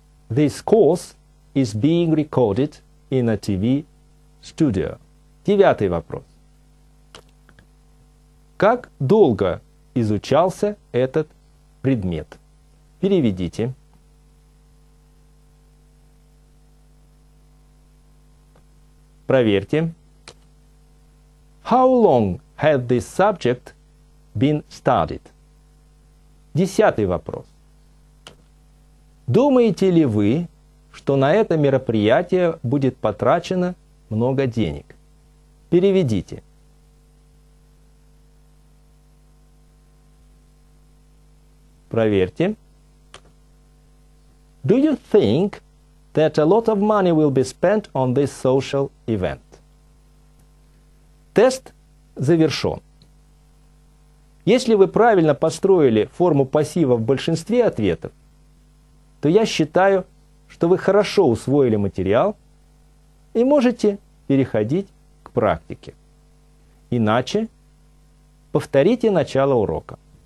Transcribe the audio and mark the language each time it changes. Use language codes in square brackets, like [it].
[en] This course is being recorded in a TV studio. [ru] Девятый вопрос. Как долго изучался этот предмет? Переведите. Проверьте. [en] How long had this subject been studied? [ru] Десятый вопрос. Думаете ли вы, что на это мероприятие будет потрачено много денег? Переведите. Проверьте. [en] Do you think that a lot of money will be spent on this social event? [ru] Тест завершен. Если вы правильно построили форму пассива в большинстве ответов, то я считаю, что вы хорошо усвоили материал и можете переходить к практике. Иначе повторите начало урока.